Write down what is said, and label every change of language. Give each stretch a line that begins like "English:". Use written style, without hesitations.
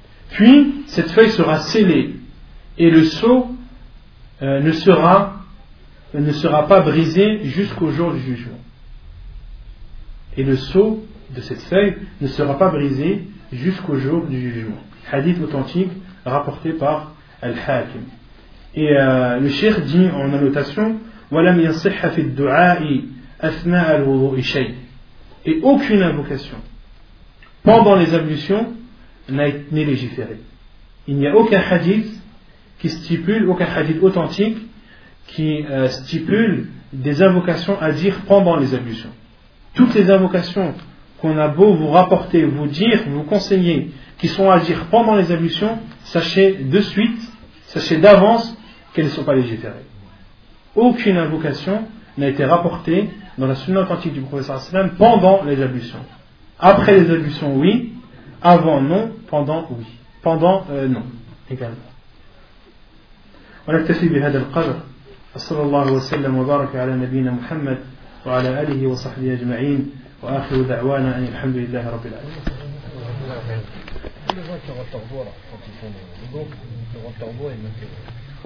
French: Puis, cette feuille sera scellée. Et le sceau ne sera pas brisé jusqu'au jour du jugement. Et le sceau de cette feuille ne sera pas brisé jusqu'au jour du jugement. Hadith authentique rapporté par Al-Hakim. Et le cheikh dit en annotation:
Arabic: وَلَمْ يَصِحَّ فِي الدُّعَاءِ أَثْنَاءَ الْوُضُوءِ شَيْءٍ.
French: Et aucune invocation pendant les ablutions n'est légiférée. Il n'y a aucun hadith qui stipule, aucun hadith authentique qui stipule des invocations à dire pendant les ablutions. Toutes les invocations qu'on a beau vous rapporter, vous dire, vous conseiller, qui sont à dire pendant les ablutions, sachez de suite, sachez d'avance qu'elles ne sont pas légiférées. Aucune invocation n'a été rapporté dans la sunna authentique du professeur Asselin pendant les ablutions. Après les ablutions, oui. Avant, non. Pendant, oui. Pendant, non. Également.
Arabic: On اكتفي بهذا القدر. صلى الله وسلم وبارك على نبينا محمد وعلى آله وصحبه أجمعين وآخر دعوانا أن الحمد لله رب العالمين. Les gens qui rentrent en bois, quand ils font le don, ils rentrent en bois et ils mettent.